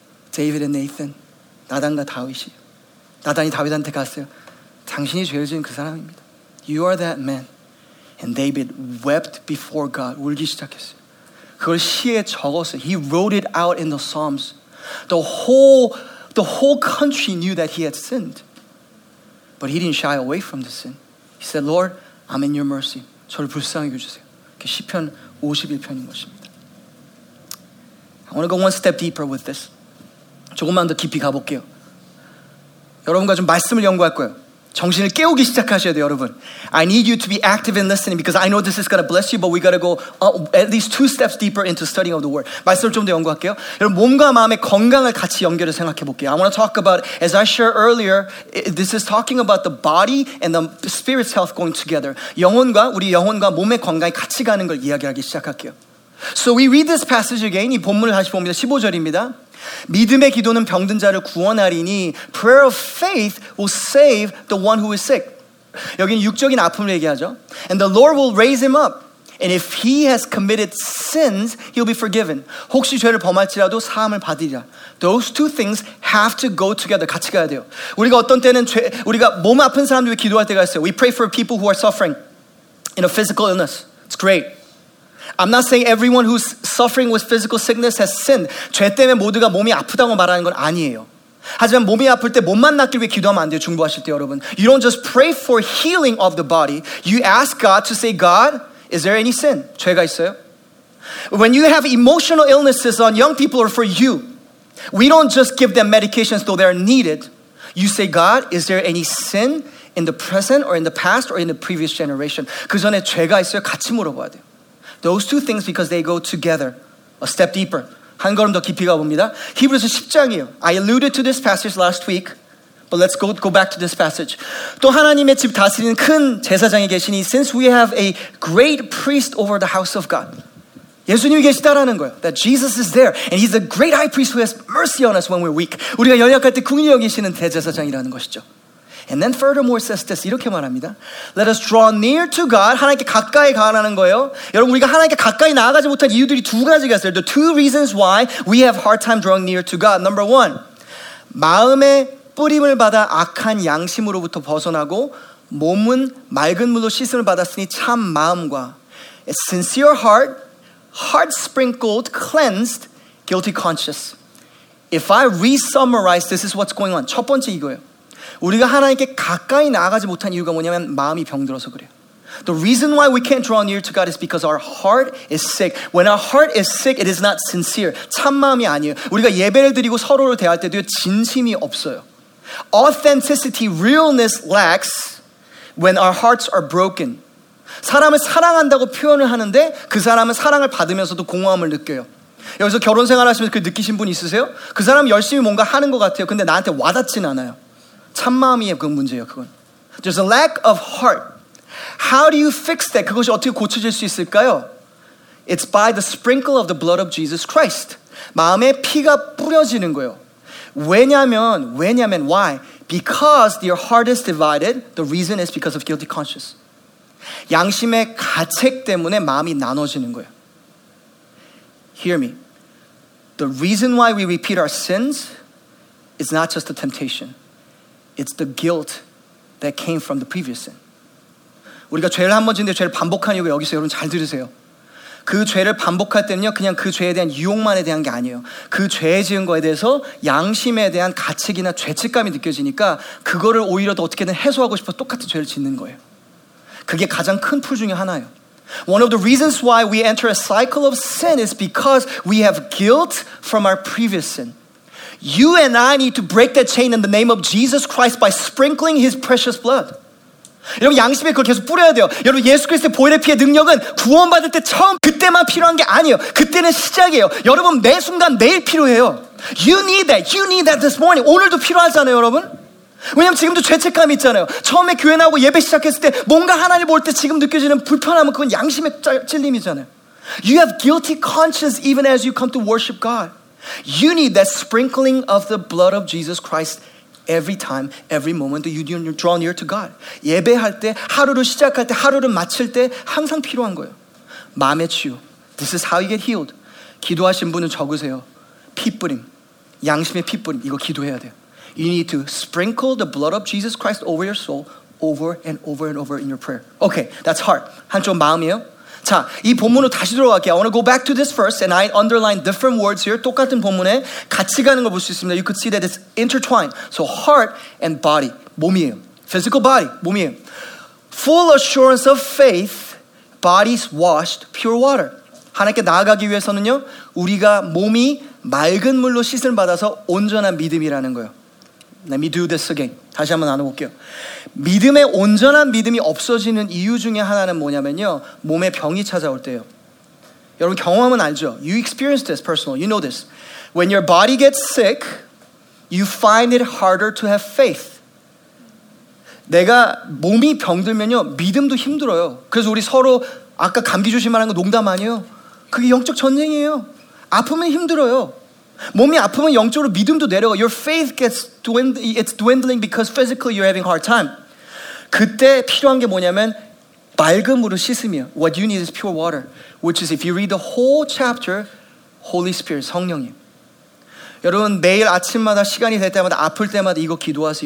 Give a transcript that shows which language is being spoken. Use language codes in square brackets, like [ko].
[en] David and Nathan. [ko] 나단과 다윗이. 나단이 다윗한테 갔어요. 당신이 죄를 지은 그 사람입니다. [en] You are that man. And David wept before God. [ko] 울기 시작했어요. 그걸 시에 적었어요. [en] He wrote it out in the Psalms. The whole country knew that he had sinned. But he didn't shy away from the sin. He said, Lord, I'm in your mercy. [ko] 저를 불쌍히 여겨주세요. 시편 51편인 것입니다. [en] I want to go one step deeper with this. [ko] 조금만 더 깊이 가볼게요. 여러분과 좀 말씀을 연구할 거예요. 정신을 깨우기 시작하셔야 돼요, 여러분. [en] I need you to be active in listening because I know this is going to bless you, but we got to go at least two steps deeper into studying of the word. [ko] 말씀을 좀 더 연구할게요. 여러분, 몸과 마음의 건강을 같이 연결해서 생각해 볼게요. [en] I want to talk about, as I shared earlier, this is talking about the body and the spirit's health going together. [ko] 영혼과, 우리 영혼과 몸의 건강이 같이 가는 걸 이야기하기 시작할게요. [en] So we read this passage again. [ko] 이 본문을 다시 봅니다. 15절입니다. 믿음의 기도는 병든 자를 구원하리니 [en] prayer of faith will save the one who is sick. [ko] 여기는 육적인 아픔을 얘기하죠. [en] And the Lord will raise him up. And if he has committed sins, he'll be forgiven. [ko] 혹시 죄를 범할지라도 사함을 받으리라. [en] Those two things have to go together. [ko] 같이 가야 돼요. 우리가 어떤 때는 죄, 우리가 몸 아픈 사람들 위해 기도할 때가 있어요. [en] We pray for people who are suffering in a physical illness. It's great. I'm not saying everyone who's suffering with physical sickness has sinned. [ko] 죄 때문에 모두가 몸이 아프다고 말하는 건 아니에요. 하지만 몸이 아플 때 몸만 낫길 위해 기도하면 안 돼요. 중보하실 때 여러분. [en] You don't just pray for healing of the body. You ask God to say, God, is there any sin? [ko] 죄가 있어요? [en] When you have emotional illnesses on young people or for you, we don't just give them medications though they're needed. You say, God, is there any sin in the present or in the past or in the previous generation? [ko] 그 전에 죄가 있어요? 같이 물어봐야 돼요. [en] Those two things because they go together. A step deeper. [ko] 한 걸음 더 깊이 가봅니다. 히브리서 10장이에요. [en] I alluded to this passage last week, but let's go back to this passage. [ko] 또 하나님의 집 다스리는 큰 제사장이 계시니 [en] since we have a great priest over the house of God. [ko] 예수님이 계시다라는 거예요. [en] That Jesus is there and he's a great high priest who has mercy on us when we're weak. [ko] 우리가 연약할 때 긍휼히 여기시는 대제사장이라는 것이죠. [en] And then furthermore says this, [ko] 이렇게 말합니다. [en] Let us draw near to God, [ko] 하나님께 가까이 가라는 거예요. 여러분, 우리가 하나님께 가까이 나아가지 못한 이유들이 두 가지가 있어요. [en] The two reasons why we have hard time drawing near to God. Number one, [ko] 마음의 뿌림을 받아 악한 양심으로부터 벗어나고 몸은 맑은 물로 씻음을 받았으니 참 마음과 [en] a sincere heart, heart sprinkled, cleansed, guilty conscience. If I re-summarize, this is what's going on. [ko] 첫 번째 이거예요. 우리가 하나님께 가까이 나아가지 못한 이유가 뭐냐면 마음이 병들어서 그래요. [en] The reason why we can't draw near to God is because our heart is sick. When our heart is sick, it is not sincere. [ko] 참 마음이 아니에요. 우리가 예배를 드리고 서로를 대할 때도 진심이 없어요. [en] Authenticity, realness lacks when our hearts are broken. [ko] 사람을 사랑한다고 표현을 하는데 그 사람은 사랑을 받으면서도 공허함을 느껴요. 여기서 결혼 생활하시면서 그 느끼신 분 있으세요? 그 사람 열심히 뭔가 하는 것 같아요. 근데 나한테 와닿진 않아요. 참 마음이에요, 그건 문제예요, 그건. [en] There's a lack of heart. How do you fix that? [ko] 그것이 어떻게 고쳐질 수 있을까요? [en] It's by the sprinkle of the blood of Jesus Christ. [ko] 마음에 피가 뿌려지는 거예요. 왜냐면, [en] why? Because your heart is divided, the reason is because of guilty conscience. [ko] 양심의 가책 때문에 마음이 나눠지는 거예요. [en] Hear me. The reason why we repeat our sins is not just the temptation. It's the guilt that came from the previous sin. [ko] 우리가 죄를 한 번 짓는데 죄를 반복하는 이유가 여기서 여러분 잘 들으세요. 그 죄를 반복할 때는요, 그냥 그 죄에 대한 유혹만에 대한 게 아니에요. 그 죄 지은 거에 대해서 양심에 대한 가책이나 죄책감이 느껴지니까 그거를 오히려 더 어떻게든 해소하고 싶어 똑같은 죄를 짓는 거예요. 그게 가장 큰 풀 중에 하나예요. [en] One of the reasons why we enter a cycle of sin is because we have guilt from our previous sin. You and I need to break that chain in the name of Jesus Christ by sprinkling His precious blood. [ko] 여러분 양심에 그걸 계속 뿌려야 돼요. 여러분 예수 그리스도의 보혈의 피의 능력은 구원받을 때 처음 그때만 필요한 게 아니에요. 그때는 시작이에요. 여러분 매 순간 매일 필요해요. [en] You need that. You need that this morning. [ko] 오늘도 필요하잖아요, 여러분. 왜냐면 지금도 죄책감이 있잖아요. 처음에 교회 나오고 예배 시작했을 때 뭔가 하나님 볼 때 지금 느껴지는 불편함은 그건 양심의 찔림이잖아요. [en] You have guilty conscience even as you come to worship God. You need that sprinkling of the blood of Jesus Christ every time, every moment that you draw near to God. [ko] 예배할 때, 하루를 시작할 때, 하루를 마칠 때 항상 필요한 거예요. 마음의 치유. [en] This is how you get healed. [ko] 기도하신 분은 적으세요. 피뿌림. 양심의 피뿌림. 이거 기도해야 돼요. [en] You need to sprinkle the blood of Jesus Christ over your soul over and over and over in your prayer. Okay, that's heart. [ko] 한쪽 마음이에요. 자, 이 본문으로 다시 돌아갈게요. [en] I want to go back to this verse and I underline different words here. [ko] 똑같은 본문에 같이 가는 걸 볼 수 있습니다. [en] You could see that it's intertwined. So heart and body, [ko] 몸이에요. [en] Physical body, [ko] 몸이에요. [en] Full assurance of faith, bodies washed pure water. [ko] 하나님께 나아가기 위해서는요, 우리가 몸이 맑은 물로 씻음 받아서 온전한 믿음이라는 거예요. [en] Let me do this again. [ko] 다시 한번 나눠볼게요. 믿음의 온전한 믿음이 없어지는 이유 중에 하나는 뭐냐면요, 몸에 병이 찾아올 때예요. 여러분 경험은 알죠? [en] You experience this personally. You know this. When your body gets sick, you find it harder to have faith. [ko] 내가 몸이 병들면요, 믿음도 힘들어요. 그래서 우리 서로 아까 감기 조심하라는 거 농담 아니에요. 그게 영적 전쟁이에요. 아프면 힘들어요. 몸이 아프면 영적으로 믿음도 내려가. [en] Your faith gets dwindling because physically you're having a hard time. [ko] 그때 필요한 게 뭐냐면 맑은 물을 씻으며. [en] What you need is pure water. Which is if you read the whole chapter, Holy Spirit, 성령님. [ko] 여러분 매일 아침마다 시간이 될 때마다 아플 때마다 이거 기도하세요.